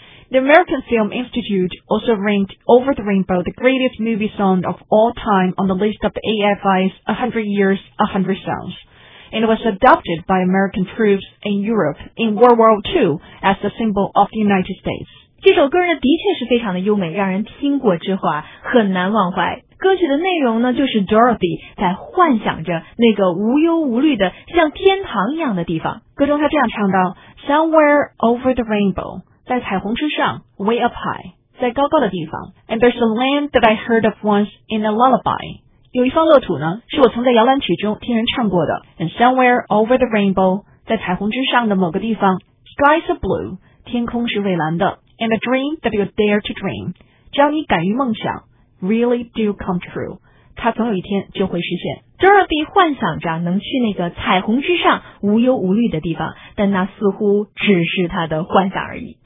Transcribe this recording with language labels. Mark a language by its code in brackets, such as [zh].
[en] The American Film Institute also ranked Over the Rainbow the greatest movie song of all time on the list of the AFI's 100 Years, 100 Songs. It was adopted by American troops in Europe in World War II as the symbol of the United States. [zh] 这首歌的确是非常的优美，让人听过之后啊，很难忘怀。歌曲的内容呢，就是 Dorothy 在幻想着那个无忧无虑的像天堂一样的地方。歌中她这样唱道 [en] Somewhere over the rainbow, [zh] 在彩虹之上 [en] way up high, [zh] 在高高的地方 [en] And there's a land that I heard of once in a lullaby, [zh] 有一方乐土呢，是我曾在摇篮曲中听人唱过的 [en] And somewhere over the rainbow, [zh] 在彩虹之上的某个地方 [en] Skies are blue, [zh] 天空是蔚蓝的 [en] And a dream that you dare to dream, [zh] 只要你敢于梦想 [en] Really do come true. [zh] 他总有一天就会实现。 Dorothy 幻想着能去那个彩虹之上无忧无虑的地方，但那似乎只是他的幻想而已。